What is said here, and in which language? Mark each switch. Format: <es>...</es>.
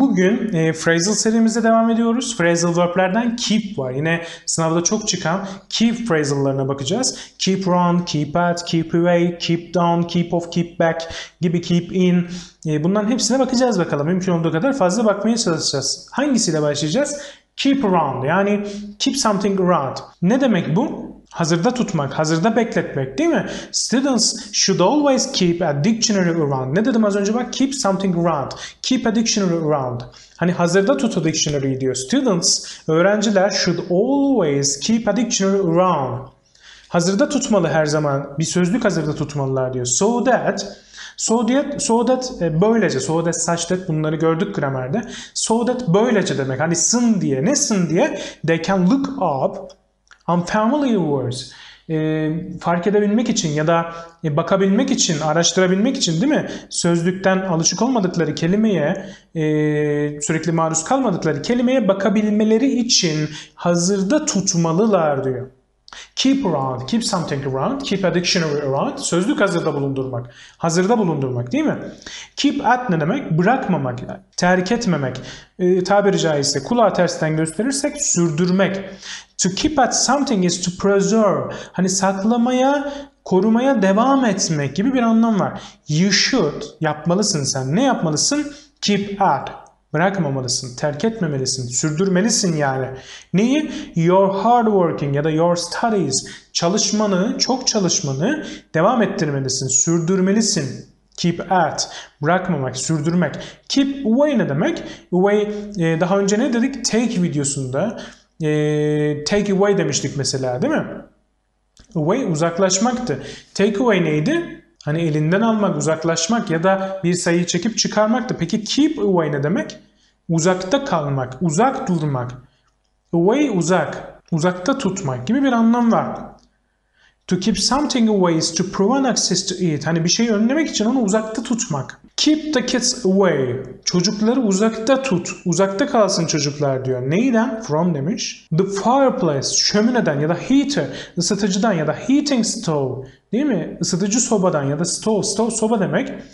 <tr>Bugün Phrasal serimize devam ediyoruz. Phrasal verb'lerden keep var. Yine sınavda çok çıkan keep phrasal'larına bakacağız.</tr> <en>Keep run, keep at, keep away, keep down, keep off, keep back gibi keep in.</en> <tr>Bunların hepsine bakacağız bakalım. Mümkün olduğu kadar fazla bakmaya çalışacağız. Hangisiyle başlayacağız?</tr> <en>Keep run. Yani keep something around.</en> <tr>Ne demek bu? Hazırda tutmak, hazırda bekletmek değil mi?</tr> <en>Students should always keep a dictionary around.</en> <tr>Ne dedim az önce bak?</tr> <en>Keep something around. Keep a dictionary around.</en> <tr>Hani hazırda tut o dictionary'i diyor.</tr> <en>Students, öğrenciler should always keep a dictionary around.</en> <tr>Hazırda tutmalı her zaman. Bir sözlük hazırda tutmalılar diyor.</tr> <en>So that</en> <tr>böylece.</tr> <en>So that, such that</en> <tr>bunları gördük gramerde.</tr> <en>So that</en> <tr>böylece demek. Hani sın diye. Ne sın diye?</tr> <en>They can look up unfamiliar words.</en> <tr>Fark edebilmek için ya da bakabilmek için, araştırabilmek için değil mi? Sözlükten alışık olmadıkları kelimeye, sürekli maruz kalmadıkları kelimeye bakabilmeleri için hazırda tutmalılar diyor.</tr> <en>Keep around, keep something around, keep a dictionary around.</en> <tr>Sözlük hazırda bulundurmak, hazırda bulundurmak değil mi? Keep at ne demek? Bırakmamak, terk etmemek. Tabiri caizse kulağı tersten gösterirsek sürdürmek.</tr> <en>To keep at something is to preserve.</en> <tr>Hani saklamaya, korumaya devam etmek gibi bir anlam var.</tr> <en>You should,</en> <tr>yapmalısın sen. Ne yapmalısın?</tr> <en>Keep at.</en> <tr>Bırakmamalısın, terk etmemelisin, sürdürmelisin yani. Neyi?</tr> <en>Your hard working</en> <tr>ya da</tr> <en>your studies.</en> <tr>Çalışmanı, çok çalışmanı devam ettirmelisin, sürdürmelisin. Keep at, bırakmamak, sürdürmek. Keep away ne demek? Away, daha önce ne dedik? Take videosunda. Take away demiştik mesela değil mi? Away uzaklaşmaktı. Take away neydi? Hani elinden almak, uzaklaşmak ya da bir sayıyı çekip çıkarmaktı. Peki keep away ne demek? Uzakta kalmak, uzak durmak. Away uzak, uzakta tutmak gibi bir anlam var.</tr> <en>To keep something away is to prevent access to it.</en> <tr>Hani bir şeyi önlemek için onu uzakta tutmak.</tr> <en>Keep the kids away.</en> <tr>Çocukları uzakta tut. Uzakta kalsın çocuklar diyor. Neyden? From demiş.</tr> <en>The fireplace.</en> <tr>Şömineden ya da heater. Isıtıcıdan ya da</tr> <en>heating stove.</en> <tr>Değil mi? Isıtıcı sobadan ya da stove. Stove soba demek.</tr>